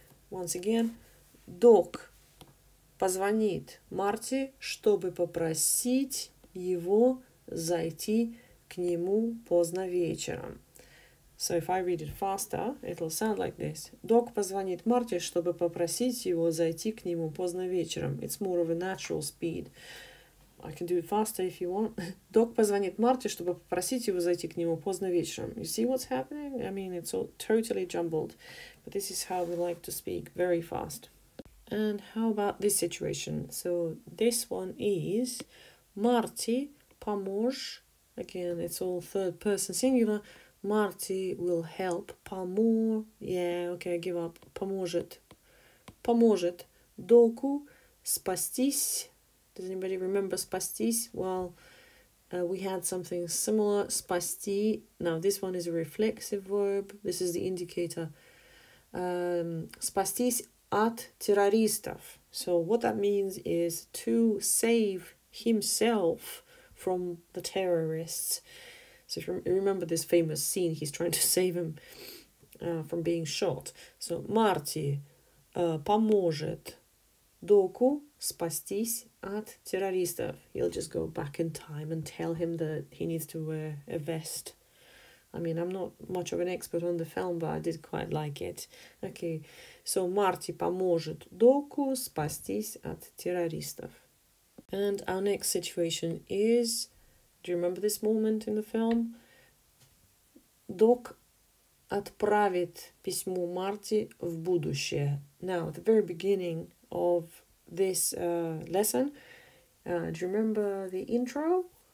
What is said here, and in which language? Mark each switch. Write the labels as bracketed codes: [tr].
[ru] Once again, Док позвонит Марти, чтобы попросить его зайти к нему поздно вечером. [en] So if I read it faster, it'll sound like this. [ru] Док позвонит Марти, чтобы попросить его зайти к нему поздно вечером. [en] It's more of a natural speed. I can do it faster if you want. [ru] Док позвонит Марти, чтобы попросить его зайти к нему поздно вечером. [en] You see what's happening? I mean, it's all totally jumbled. But this is how we like to speak, very fast. And how about this situation? So this one is [ru] Марти поможь. [en] Again, it's all third person singular. Марти will help. [ru] Поможь. [en] Yeah, okay, I give up. [ru] Поможет. Поможет Доку спастись. [en] Does anybody remember [ru] спастись? [en] Well, we had something similar. [ru] Спасти. [en] Now, this one is a reflexive verb. This is the indicator. [ru] Спастись от террористов. [en] So what that means is to save himself from the terrorists. So if you remember this famous scene, he's trying to save him from being shot. So [ru] Марти поможет Доку спастись от террористов. [en] He'll just go back in time and tell him that he needs to wear a vest. I mean, I'm not much of an expert on the film, but I did quite like it. [ru] Okay, so Марти поможет Доку спастись от террористов. [en] And our next situation is, do you remember this moment in the film? [ru] Док отправит письмо Марти в будущее. [en] Now, at the very beginning of this lesson, do you remember the intro?